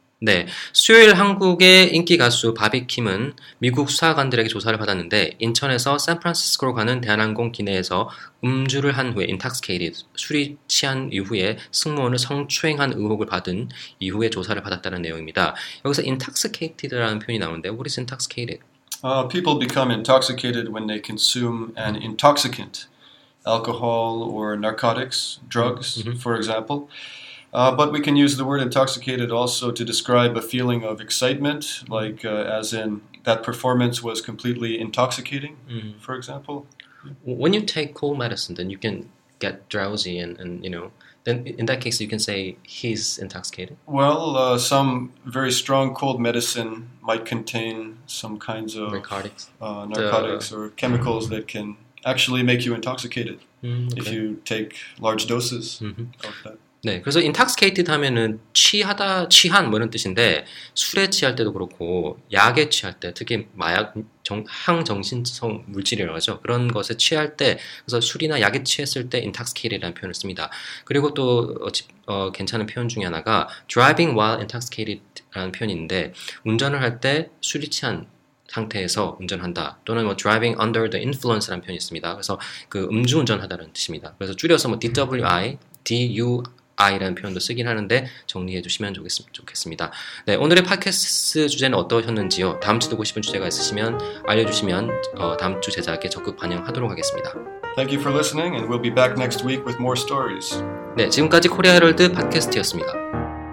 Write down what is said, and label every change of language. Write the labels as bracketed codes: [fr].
[ko] 네, 수요일 한국의 인기 가수 바비 킴은 미국 수사관들에게 조사를 받았는데 인천에서 샌프란시스코로 가는 대한항공 기내에서 음주를 한 후에 intoxicated, 술이 취한 이후에 승무원을 성추행한 의혹을 받은 이후에 조사를 받았다는 내용입니다. 여기서 intoxicated라는 표현이 나오는데 [en] what is intoxicated? People become intoxicated when they consume an intoxicant, alcohol or narcotics, drugs, for example. But we can use the word intoxicated also to describe a feeling of excitement, like as in that performance was completely intoxicating, for example. When you take cold medicine, then you can get drowsy and you know, then in that case you can say he's intoxicated. Well, some very strong cold medicine might contain some kinds of narcotics or chemicals that can actually make you intoxicated if you take large doses of that. [ko] 네, 그래서 intoxicated 하면은 취하다, 취한 뭐 이런 뜻인데 술에 취할 때도 그렇고 약에 취할 때, 특히 마약, 항정신성 물질이라고 하죠. 그런 것에 취할 때, 그래서 술이나 약에 취했을 때 intoxicated라는 표현을 씁니다. 그리고 또 괜찮은 표현 중에 하나가 [en] driving while intoxicated [ko] 라는 표현인데 운전을 할 때 술이 취한 상태에서 운전한다 또는 뭐 [en] driving under the influence [ko] 라는 표현이 있습니다. 그래서 그 음주운전하다는 뜻입니다. 그래서 줄여서 뭐 DWI, DUI I라는 표현도 쓰긴 하는데 정리해 주시면 좋겠습니다. 네, 오늘의 팟캐스트 주제는 어떠셨는지요? 다음 주 듣고 싶은 주제가 있으시면 알려주시면 다음 주 제작에 적극 반영하도록 하겠습니다. [en] Thank you for listening and we'll be back next week with more stories. [ko] 네, 지금까지 코리아 헤럴드 팟캐스트였습니다.